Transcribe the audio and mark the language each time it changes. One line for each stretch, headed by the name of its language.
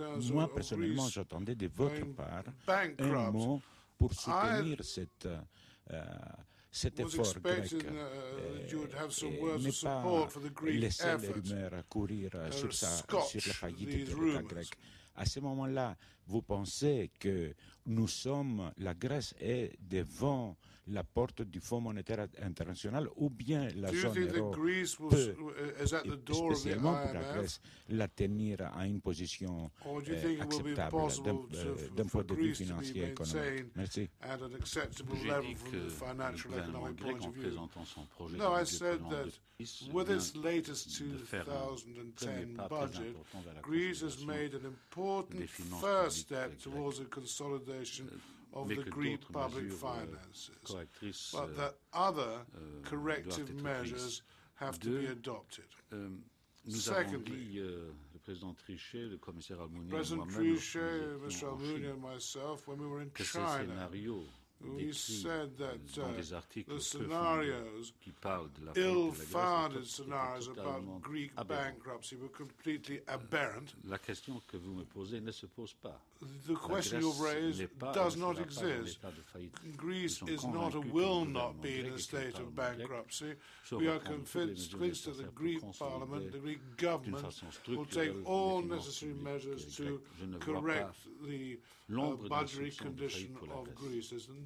French: Moi, personnellement, j'attendais de votre part un mot pour soutenir cette... Cet effort grec,
English: you would have some words of support for the Greek effort,
French: sur sa, sur la faillite de l'État grec. À ce moment-là, vous pensez que nous sommes, la Grèce est devant la porte du Fonds monétaire international, ou bien la zone euro peut, spécialement pour la Grèce, la tenir à une position acceptable d'un point de vue financier et économique. Merci. J'ai dit que le gouvernement grec, en présentant son projet de développement de
English: Greece, Greece has made an important first step towards a consolidation of the Greek public finances, but that other corrective measures have to be adopted. Secondly, President Trichet, the Commissaire Almunia, President Trichet, Mr. Almunia and myself, when we were in China, we said that the scenarios, ill-founded scenarios about Greek bankruptcy were completely aberrant.
French: La question que vous me posez ne se pose pas.
English: The question you've raised does not exist. Greece is not or will not be in a state of bankruptcy. We are convinced that the Greek Parliament, the Greek government, will take all necessary measures to correct the budgetary condition of Greece. There's